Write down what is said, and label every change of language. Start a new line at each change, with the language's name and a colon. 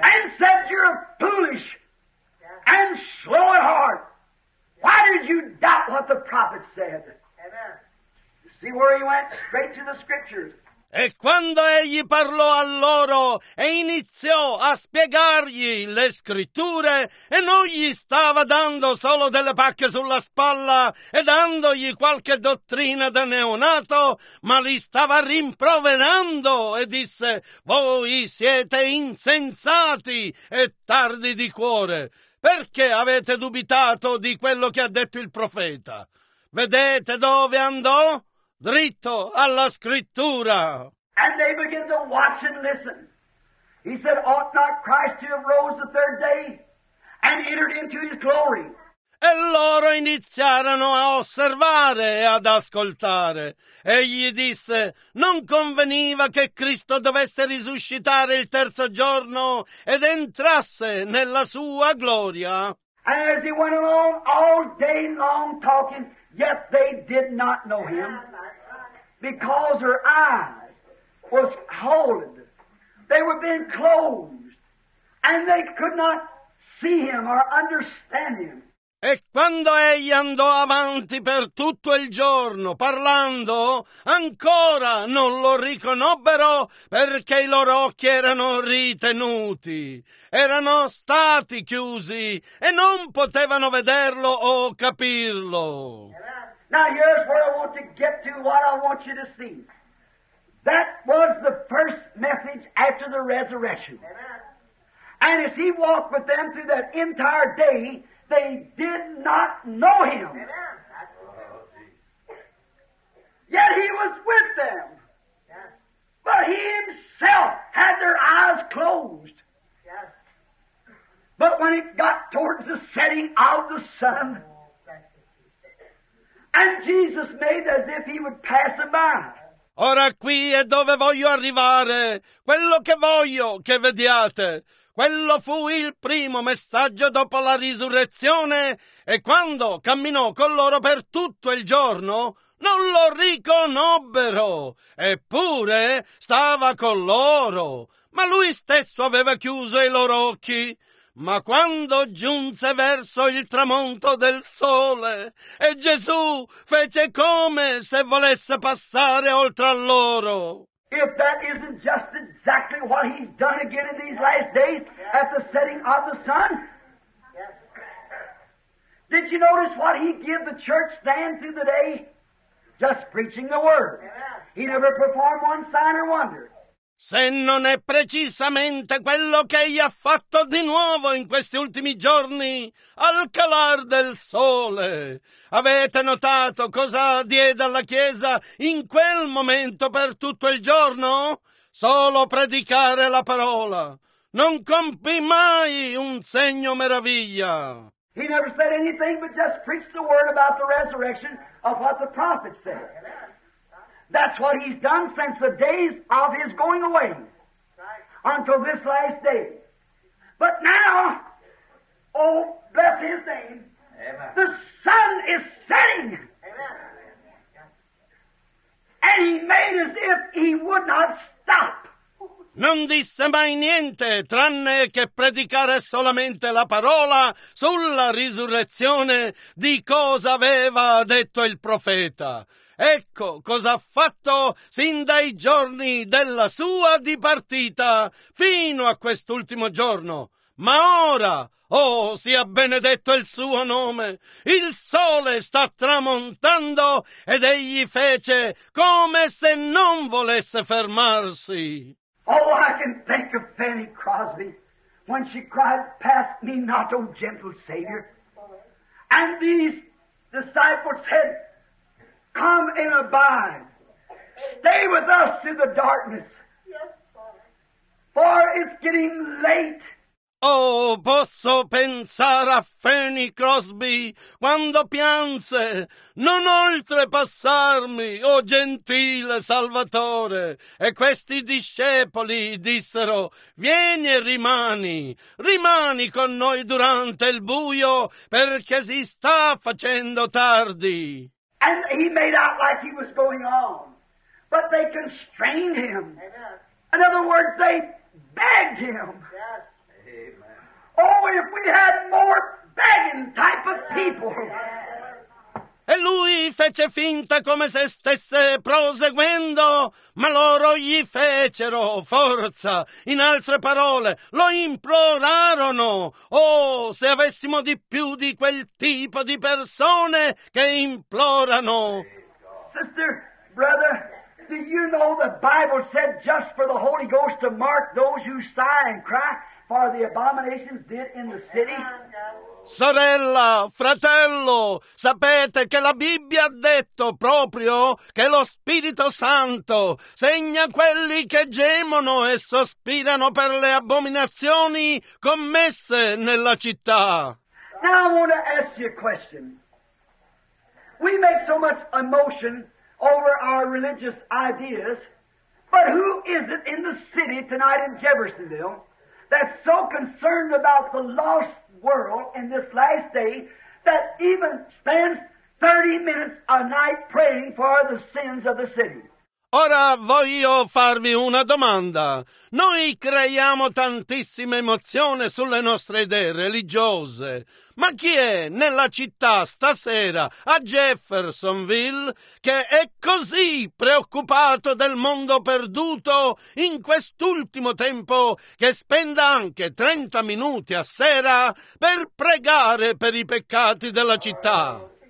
English: And said, you're foolish and slow at heart. Why did you doubt what the prophet said? Amen. See where he went? Straight to the scriptures.
Italian: E quando egli parlò a loro e iniziò a spiegargli le scritture, e non gli stava dando solo delle pacche sulla spalla e dandogli qualche dottrina da neonato, ma li stava rimproverando e disse: voi siete insensati e tardi di cuore, perché avete dubitato di quello che ha detto il profeta? Vedete dove andò? Dritto alla scrittura.
English: And they began to watch and listen. He said, ought not Christ to have rose the third day and entered into his glory?
Italian: E loro iniziarono a osservare e ad ascoltare. Egli disse, non conveniva che Cristo dovesse risuscitare il terzo giorno ed entrasse nella sua gloria?
English: And as he went along all day long talking, yet they did not know him. Because her eyes was holding. They were being closed. And they could not see him or understand him.
Italian: E quando egli andò avanti per tutto il giorno parlando, ancora non lo riconobbero perché i loro occhi erano ritenuti. Erano stati chiusi e non potevano vederlo o capirlo.
English: Now here's where I want to get to, what I want you to see. That was the first message after the resurrection. Amen. And as he walked with them through that entire day, they did not know him. Amen. Yet he was with them. Yes. But he himself had their eyes closed. Yes. But when it got towards the setting of the sun, and Jesus made as if he would pass by.
Italian: Ora qui è dove voglio arrivare. Quello che voglio che vediate. Quello fu il primo messaggio dopo la risurrezione. E quando camminò con loro per tutto il giorno, non lo riconobbero. Eppure stava con loro. Ma lui stesso aveva chiuso i loro occhi. Ma quando giunse verso il tramonto del sole e Gesù fece come se volesse passare oltre a loro.
English: If that isn't just exactly what he's done again in these last days at the setting of the sun. Did you notice what he gave the church then through the day? Just preaching the word. He never performed one sign or wonder.
Italian: Se non è precisamente quello che egli ha fatto di nuovo in questi ultimi giorni al calar del sole. Avete notato cosa diede alla Chiesa in quel momento per tutto il giorno? Solo predicare la parola. Non compì mai un segno meraviglia.
English: He never said anything but just preached the word about the resurrection of what the prophet said. That's what he's done since the days of his going away until this last day. But now, oh, bless his name, amen. The sun is setting. Amen. And he made as if he would not stop.
Italian: Non disse mai niente, tranne che predicare solamente la parola sulla risurrezione di cosa aveva detto il profeta. Ecco cosa ha fatto sin dai giorni della sua dipartita fino a quest'ultimo giorno. Ma ora, oh, sia benedetto il suo nome, il sole sta tramontando ed egli fece come se non volesse fermarsi.
English: Oh, I can think of Fanny Crosby when she cried, pass me not, O gentle Savior. And these disciples said, come and abide. Stay with us through the darkness. For it's getting late.
Italian: Oh, posso pensare a Fanny Crosby quando pianse, non oltrepassarmi, o gentile Salvatore. E questi discepoli dissero, vieni e rimani, rimani con noi durante il buio, perché si sta facendo tardi.
English: And he made out like he was going on. but they constrained him. Amen. In other words, they begged him. Yes. Amen. Oh, if we had more begging type of people.
Italian: E lui fece finta come se stesse proseguendo, ma loro gli fecero forza. In altre parole, lo implorarono. Oh, se avessimo di più di quel tipo di persone che implorano.
English: Sister, brother, do you know the Bible said just for the Holy Ghost to mark those who sigh and cry for the abominations did in the city?
Italian: Sorella, fratello, sapete che la Bibbia ha detto proprio che lo Spirito Santo segna quelli che gemono e sospirano per le abominazioni commesse nella città.
English: Now I want to ask you a question. We make so much emotion over our religious ideas, but who is it in the city tonight in Jeffersonville that's so concerned about the lost world in this last day that even spends 30 minutes a night praying for the sins of the city?
Italian: Ora voglio farvi una domanda. Noi creiamo tantissima emozione sulle nostre idee religiose, ma chi è nella città stasera a Jeffersonville che è così preoccupato del mondo perduto in quest'ultimo tempo che spenda anche 30 minuti a sera per pregare per i peccati della città?